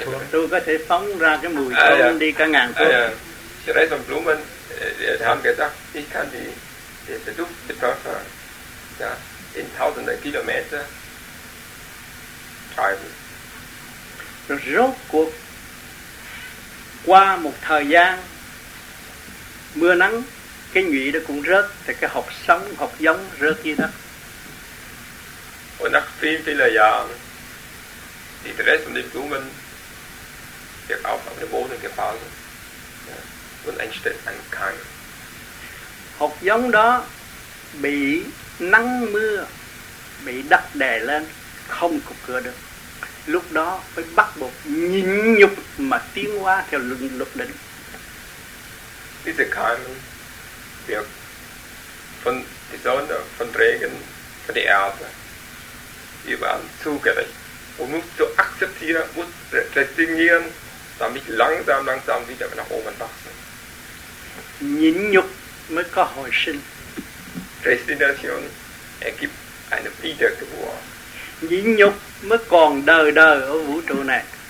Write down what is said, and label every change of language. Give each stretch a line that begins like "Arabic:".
Vietnamese: tôi có thể phóng ra cái mùi thơm đi cả ngàn thước.
English: The rest of
German: Blumen haben gesagt, ich kann die Duft betroffen in tausende Kilometer.
Vietnamese: Rồi rốt cuộc qua một thời gian mưa nắng, cái nhụy đó cũng rớt, thì cái hộp sống, hộp giống rớt như đó.
German: Und nach vielen, vielen Jahren die Reste von den Blumen wird auch auf den Boden gefallen und entsteht ein Keim.
Vietnamese: Hộp giống đó bị nắng mưa, bị đất đè lên, không cục cửa được. Lúc đó phải bắt buộc nhịn nhục mà tiến hóa theo luật định.
German: Diese Keime wird von der Sonne, von Regen, von der Erde überall zugerichtet und muss zu akzeptieren, muss resignieren, damit langsam wieder nach oben wachsen.
Vietnamese: Nhịn nhục mới có hồi sinh.
German: Resignation ergibt eine Wiedergeburt.
Vietnamese: Nhịn nhục mới còn đời đời ở vũ trụ này.